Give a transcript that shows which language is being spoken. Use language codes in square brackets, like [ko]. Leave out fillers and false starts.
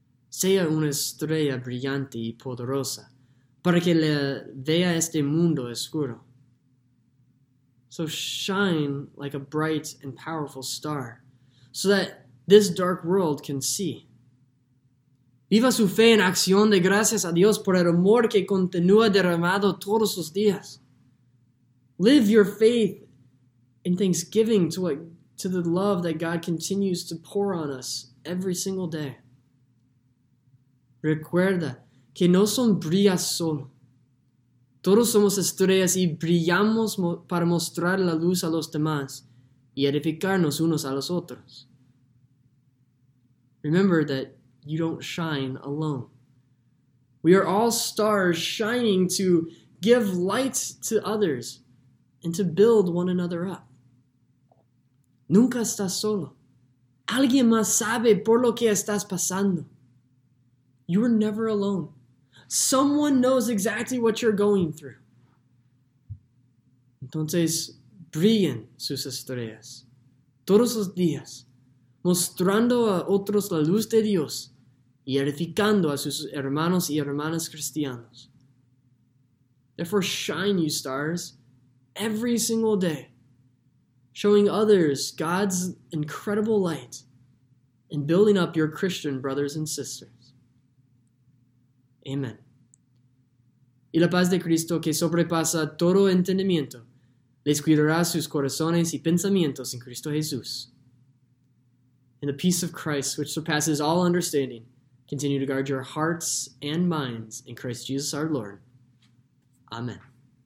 [es] Sea una estrella brillante y poderosa para que le vea este mundo oscuro. [en] So shine like a bright and powerful star so that this dark world can see. [es] Viva su fe en acción de gracias a Dios por el amor que continúa derramado todos los días. [en] Live your faith in thanksgiving to the love that God continues to pour on us every single day. [es] Recuerda que no son brillas solo. Todos somos estrellas y brillamos para mostrar la luz a los demás y edificarnos unos a los otros. [en] Remember that you don't shine alone. We are all stars shining to give light to others and to build one another up. [es] Nunca estás solo. Alguien más sabe por lo que estás pasando. [en] You are never alone. Someone knows exactly what you're going through. [es] Entonces, brillen sus estrellas todos los días, mostrando a otros la luz de Dios y edificando a sus hermanos y hermanas cristianos. [en] Therefore, shine, you stars, every single day, showing others God's incredible light and building up your Christian brothers and sisters. Amen. [es] Y la paz de Cristo, que sobrepasa todo entendimiento, les cuidará sus corazones y pensamientos en Cristo Jesús. [en] And the peace of Christ, which surpasses all understanding, continue to guard your hearts and minds in Christ Jesus our Lord. Amen.